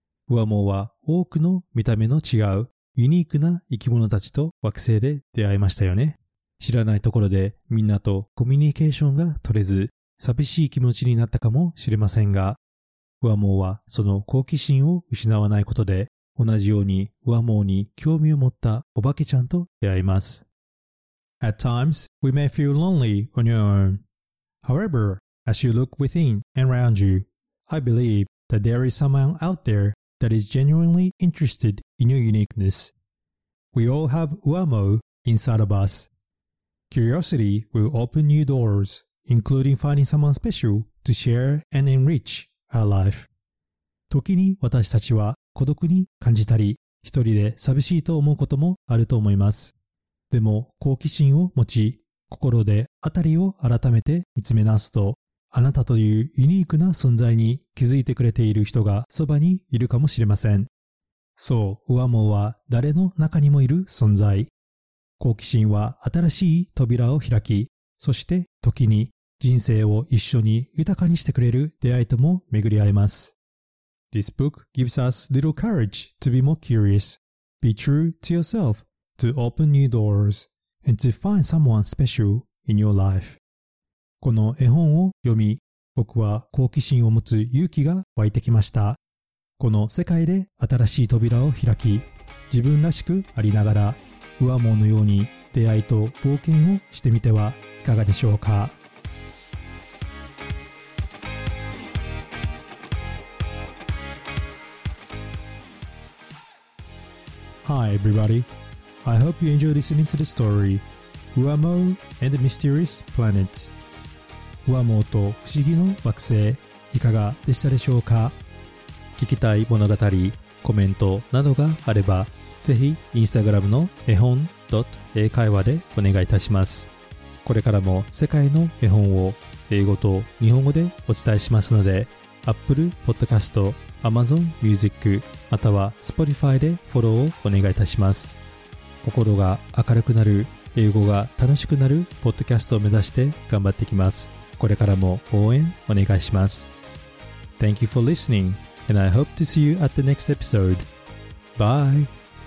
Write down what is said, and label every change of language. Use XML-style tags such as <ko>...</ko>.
<ja>ウアモーは多くの見た目の違うユニークな生き物たちと惑星で出会いましたよね。知らないところでみんなとコミュニケーションが取れず、寂しい気持ちになったかもしれませんが、ウアモーはその好奇心を失わないことで、同じようにウアモーに興味を持ったお化けちゃんと出会います。</ja> <en>At times, we may feel lonely on your own. However, as you look within and around you, I believe that there is someone out there that is genuinely interested in your uniqueness. We all have ウアモー inside of us. Curiosity will open new doors, including finding someone special to share and enrich our life.</en> <ja>時に私たちは孤独に感じたり、一人で寂しいと思うこともあると思います。でも好奇心を持ち、心で辺りを改めて見つめ直すと、あなたというユニークな存在に気づいてくれている人がそばにいるかもしれません。そう、ウアモーは誰の中にもいる存在。好奇心は新しい扉を開き、そして時に人生を一緒に豊かにしてくれる出会いとも巡り合えます。</ja> <en>This book gives us little courage to be more curious, be true to yourself, to open new doors, and to find someone special in your life.</en> <ja>この絵本を読み、僕は好奇心を持つ勇気が湧いてきました。この世界で新しい扉を開き、自分らしくありながら、ウアモーのように出会いと冒険をしてみてはいかがでしょうか。</ja> <en>Hi everybody, I hope you enjoy listening to the story, ウアモー and the Mysterious Planet.</en> <ja>ウアモーと不思議の惑星、いかがでしたでしょうか。聞きたい物語、コメントなどがあれば、ぜひインスタグラムの絵本英会話でお願いいたします。これからも世界の絵本を英語と日本語でお伝えしますので、 Apple Podcast、 Amazon Music、 または Spotify でフォローをお願いいたします。心が明るくなる、英語が楽しくなるポッドキャストを目指して頑張っていきます。これからも応援お願いします。</ja> <en>Thank you for listening, and I hope to see you at the next episode. Bye.</en>